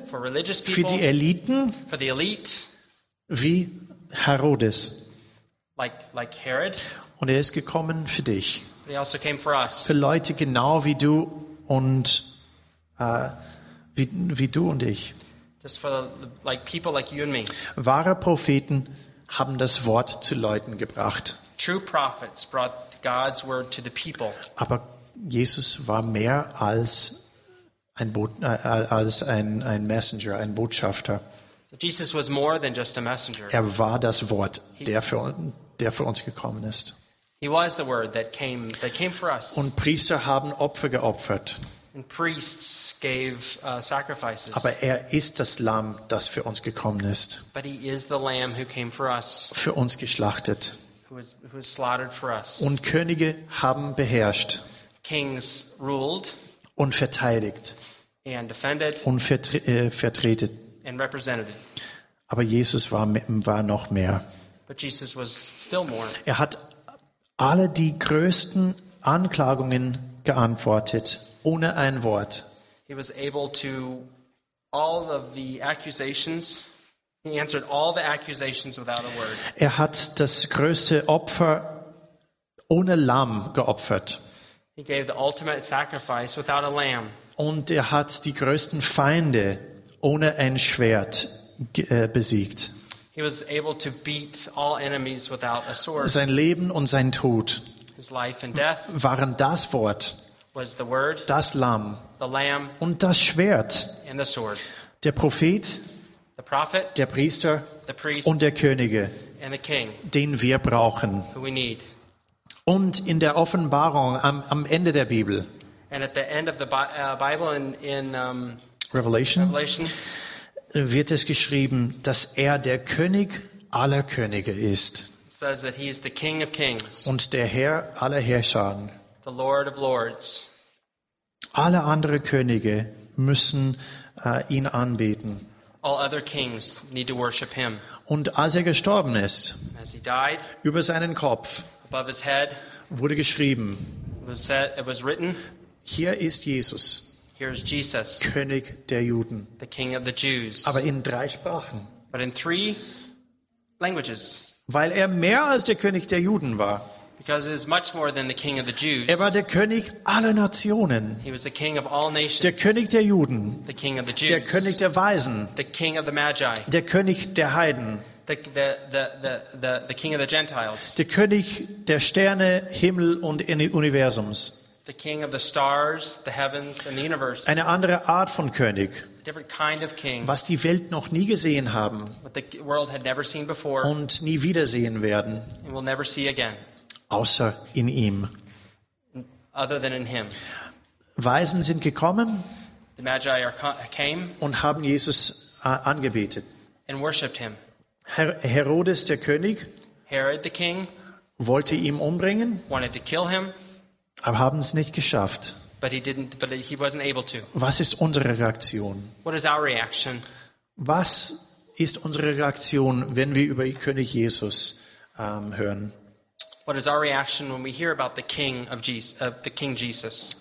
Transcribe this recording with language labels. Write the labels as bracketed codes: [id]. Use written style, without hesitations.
[en] for religious people, [de] für die Eliten, [en] for the elite, [de] wie Herodes. [en] Like Herod. [de] Und er ist gekommen für dich. [en] But he also came for us. [de] Für Leute genau wie du und wie du und ich. [en] Just for the, like people like you and me. [de] Wahre Propheten haben das Wort zu Leuten gebracht. [en] True prophets brought God's word to the people. [de] Aber Jesus war mehr als ein Messenger, ein Botschafter. [en] So Jesus was more than just a messenger. [de] Er war das Wort, der für uns gekommen ist. [en] He was the word that came for us. [de] Und Priester haben Opfer geopfert. [en] And priests gave sacrifices. [de] Aber er ist das Lamm, das für uns gekommen ist. [en] But he is the lamb who came for us. [de] Für uns geschlachtet. [en] Who was slaughtered for us. [de] Und Könige haben beherrscht. [en] Kings ruled. [de] Und verteidigt. [en] And defended. [de] Und vertreten. [en] And represented. [de] Aber Jesus war noch mehr. [en] But Jesus was still more. [de] Er hat alle die größten Anklagungen geantwortet, ohne ein Wort. [en] He was able to all of the accusations. He answered all the accusations without a word. [de] Er hat das größte Opfer ohne Lamm geopfert. [en] He gave the ultimate sacrifice without a lamb. [de] Und er hat die größten Feinde ohne ein Schwert besiegt. [en] He was able to beat all enemies without a sword. [de] Sein Leben und sein Tod, [en] his life and death, [de] waren das Wort, [en] was the word, [de] das Lamm, [en] the lamb, [de] und das Schwert, [en] and the sword. [de] Der Prophet, [en] the prophet, [de] der Priester, [en] the priest, [de] und der Könige, [en] and the king, [de] den wir brauchen. [en] Who we need. [de] Und in der Offenbarung am Ende der Bibel, [en] And at the end of the Bible in [de] Revelation, wird es geschrieben, dass er der König aller Könige ist. [en] It says that he is the King of Kings. [de] Und der Herr aller Herrscher. [en] The Lord of Lords. [de] Alle andere Könige müssen ihn anbeten. [en] All other kings need to worship him. [de] Und als er gestorben ist, [en] as he died, [de] über seinen Kopf, [en] above his head, [de] wurde geschrieben, [en] it was written, [de] hier ist Jesus, [en] here is Jesus, [de] König der Juden, [en] the King of the Jews, [de] aber in drei Sprachen. [en] But in three languages. [de] Weil er mehr als der König der Juden war. [en] Because it is much more than the King of the Jews. [de] Er war der König aller Nationen. [en] He was the King of all nations. [de] Der König der Juden. [en] The King of the Jews. [de] Der König der Weisen. [en] The King of the Magi. [de] Der König der Heiden. [en] The King of the Gentiles. [de] Der König der Sterne, Himmel und Universums. [en] The King of the stars, the heavens and the universe. [de] Eine andere Art von König. [en] Different kind of king, [de] was die Welt noch nie gesehen haben. [en] What the world had never seen before. [de] Und nie wiedersehen werden. [en] And will never see again. [de] Außer in ihm. [en] Other than in him. [de] Weisen sind gekommen, [en] the Magi came, [de] und haben Jesus angebetet. [en] And worshipped him. [de] Herodes, der König, [en] Herod, the king, [de] wollte ihn umbringen, [en] wanted to kill him, [de] aber haben es nicht geschafft. [en] But he wasn't able to. [de] Was ist unsere Reaktion? [en] What is our reaction? [de] Was ist unsere Reaktion, wenn wir über König Jesus hören? [en] What is our reaction when we hear about the King of Jesus, the King Jesus?